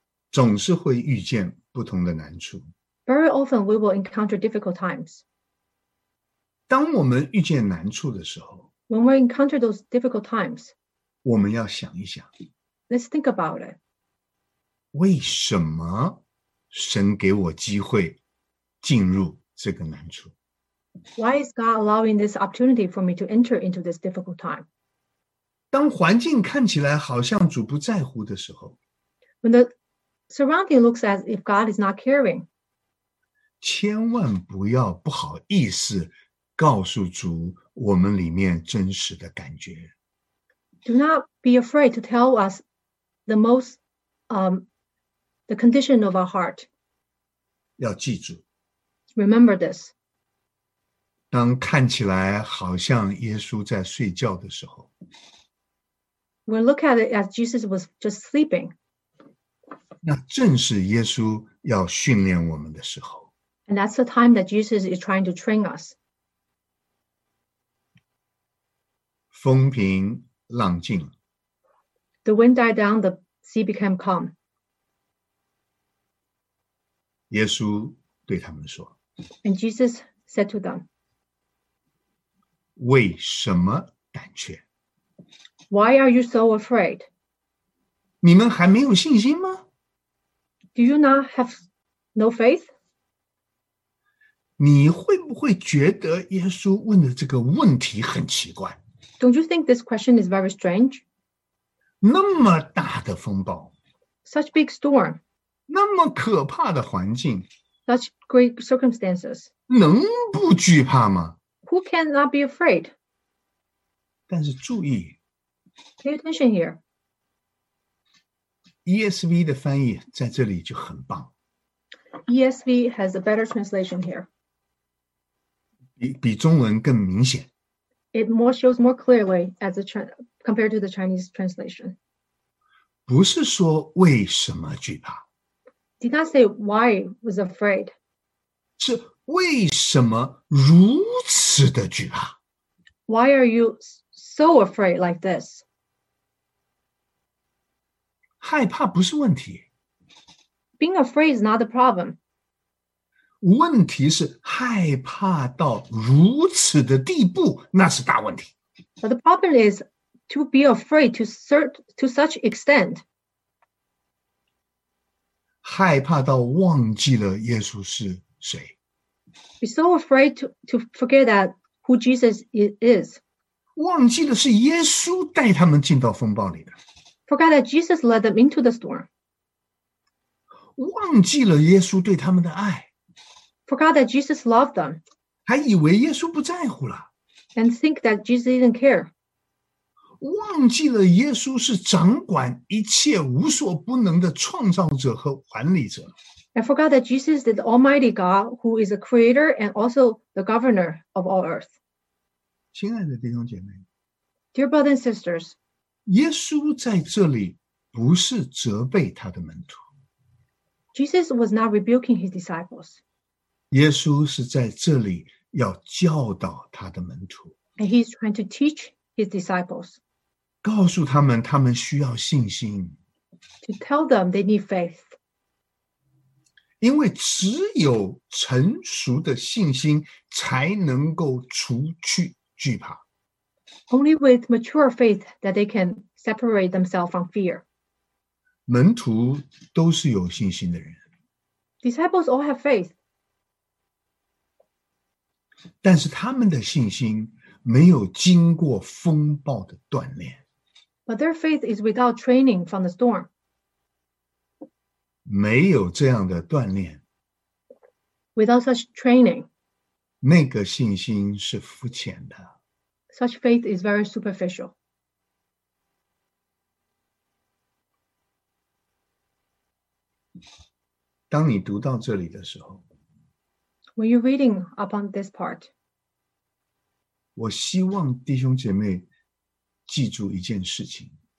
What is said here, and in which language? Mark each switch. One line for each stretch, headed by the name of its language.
Chinese: 总是会遇见不同的难处。
English: Very often, we will encounter difficult times.
Chinese: 当我们遇见难处的时候，
English: When we encounter those difficult times,
Chinese: 我们要想一想，
English: Let's think about it.
Chinese: 为什么神给我机会进入这个难处。
English: Why is God allowing this opportunity for me to enter into this difficult time?
Chinese: 当环境看起来好像主不在乎的时候，
English: When the surrounding looks as if God is not caring,
Chinese: 千万不要不好意思告诉主我们里面真实的感觉。
English: Do not be afraid to tell us the most, the condition of our heart.
Chinese: 要记住。
English: Remember this.
Chinese: 当看起来好像耶稣在睡觉的时候，
English: We look at it as Jesus was just sleeping.
Chinese: 那正是耶稣要训练我们的时候。
English: And that's the time that Jesus is trying to train us.
Chinese: 风平浪静。
English: The wind died down, the sea became calm.
Chinese: 耶稣对他们说，
English: And Jesus said to them,
Chinese: 为什么胆怯？
English: Why are you so afraid?
Chinese: 你们还没有信心吗？
English: Do you not have no faith?
Chinese: 你会不会觉得耶稣问的这个问题很奇怪？
English: Don't you think this question is very strange?
Chinese: 那么大的风暴，
English: Such big storm.
Chinese: 那么可怕的环境，
English: Such great circumstances.
Chinese: 能不惧怕吗？
English: Who cannot be afraid?
Chinese: 但是注意，
English: Pay attention here.
Chinese: ESV 的翻译在这里就很棒。
English: ESV has a better translation here.
Chinese: 比中文更明显。
English: It more shows more clearly as a compared to the Chinese translation.
Chinese: 不是说为什么惧怕。
English: Did not say why was afraid.
Chinese: 是为什么如此的惧怕？
English: Why are you so afraid like this?
Chinese: 害怕不是问题。
English: Being afraid is not the problem.
Chinese: 问题是害怕到如此的地步，那是大问题。
English: But the problem is to be afraid to such extent.
Chinese: 害怕到忘记了耶稣是谁。
English: Be so afraid to forget that who Jesus is.
Chinese: 忘记的是耶稣带他们进到风暴里的。
English: Forgot that Jesus led them into the storm.
Chinese: 忘记了耶稣对他们的爱。
English: Forgot that Jesus loved them.
Chinese: 还以为耶稣不在乎了。
English: And think that Jesus didn't care.
Chinese: 忘记了耶稣是掌管一切无所不能的创造者和管理者。
English: And forgot that Jesus is the Almighty God who is the creator and also the governor of all earth.
Chinese: 亲爱的弟兄姐妹，
English: Dear brothers and sisters,
Chinese: 耶稣在这里不是责备他的门徒。
English: Jesus was not rebuking his disciples.
Chinese: 耶稣是在这里要教导他的门徒。
English: And he's trying to teach his disciples.
Chinese: 告诉他们他们需要信心。
English: To tell them they need faith.
Chinese: 因为只有成熟的信心才能够除去惧怕。
English: Only with mature faith that they can separate themselves from fear.
Chinese: 门徒都是有信心的人。
English: Disciples all have faith.
Chinese: 但是他们的信心没有经过风暴的锻炼。
English: But their faith is without training from the storm.
Chinese: 没有这样的锻炼
English: ，without such training，
Chinese: 那个信心是肤浅的。
English: Such faith is very superficial.
Chinese: 当你读到这里的时候
English: ，when you're reading upon this part，
Chinese: 我希望弟兄姐妹记住一件事情。